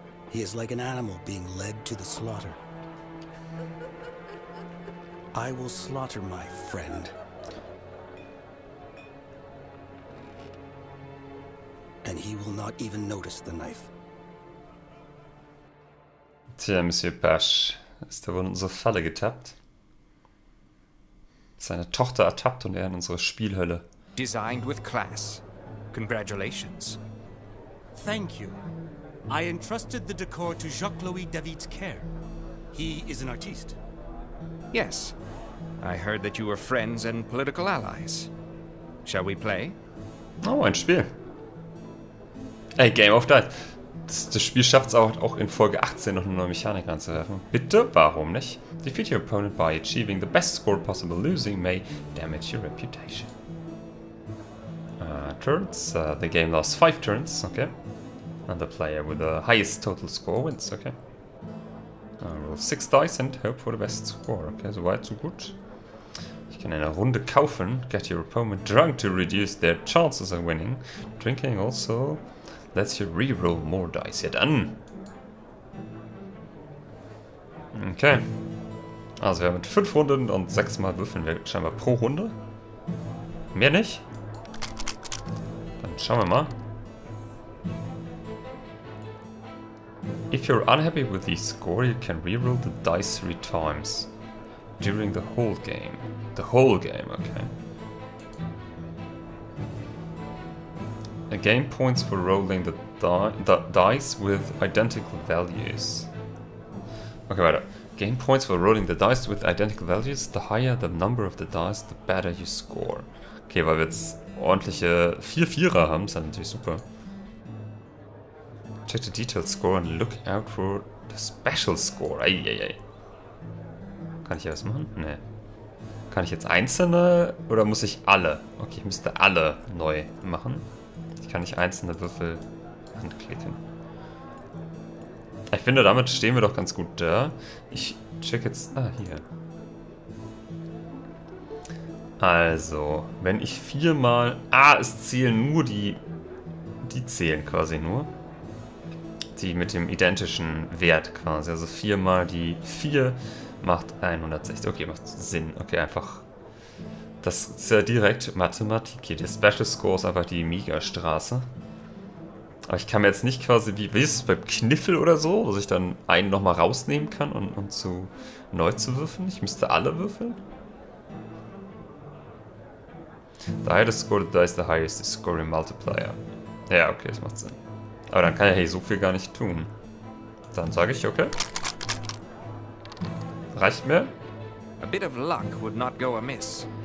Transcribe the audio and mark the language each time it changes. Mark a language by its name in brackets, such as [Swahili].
[English] He is like an animal being led to the slaughter. I will slaughter my friend. And he will not even notice the knife. [German] Tja, Monsieur Pasch, ist er wohl in unsere Falle getappt? Seine Tochter ertappt und er in unsere Spielhölle. [English] Designed with class. Congratulations. Thank you. I entrusted the decor to Jacques-Louis David's care. He is an artiste. Yes. I heard that you were friends and political allies. Shall we play? [German] Oh, ein Spiel. Hey, Game of Death. Das Spiel schafft es auch in Folge 18 noch eine neue Mechanik anzuwerfen. Bitte? Warum nicht? [English] Defeat your opponent by achieving the best score possible. Losing may damage your reputation. Turns. The game lost 5 turns. Okay. And the player with the highest total score wins. Okay. Roll 6 dice and hope for the best score. [German] Okay, so weit, so gut. Ich kann eine Runde kaufen. [English] Get your opponent drunk to reduce their chances of winning. Drinking also... Let's you re-roll more dice. [German] Ja, dann. Okay. Also wir haben mit 5 Runden und 6 Mal würfeln wir scheinbar pro Runde. Mehr nicht. Dann schauen wir mal. [English] If you're unhappy with the score, you can re-roll the dice 3 times. During the whole game. The whole game, okay. Gain points for rolling the dice with identical values. [German] Okay, warte. [English] Gain points for rolling the dice with identical values. The higher the number of the dice, the better you score. [German] Okay, weil wir jetzt ordentliche 4 Vierer haben, ist natürlich super. [English] Check the detailed score and look out for the special score. [German] Eieiei. Kann ich hier was machen? Nee. Kann ich jetzt einzelne oder muss ich alle? Okay, ich müsste alle neu machen. Ich kann nicht einzelne Würfel anklicken. Ich finde, damit stehen wir doch ganz gut da. Ich check jetzt... Ah, hier. Also, wenn ich viermal... Ah, es zählen nur die... Die zählen quasi nur. Die mit dem identischen Wert quasi. Also viermal die vier macht 160. Okay, macht Sinn. Okay, einfach... Das ist ja direkt Mathematik hier. Der Special Score ist einfach die Mega-Straße. Aber ich kann mir jetzt nicht quasi, wie ist es beim Kniffel oder so, dass ich dann einen nochmal rausnehmen kann und zu neu zu würfeln. Ich müsste alle würfeln. [English] The higher the score, the dice, the higher is the scoring multiplier. [German] Ja, okay, das macht Sinn. Aber dann kann ich hier so viel gar nicht tun. Dann sage ich, okay. Reicht mir? [English] A bit of luck would not go amiss.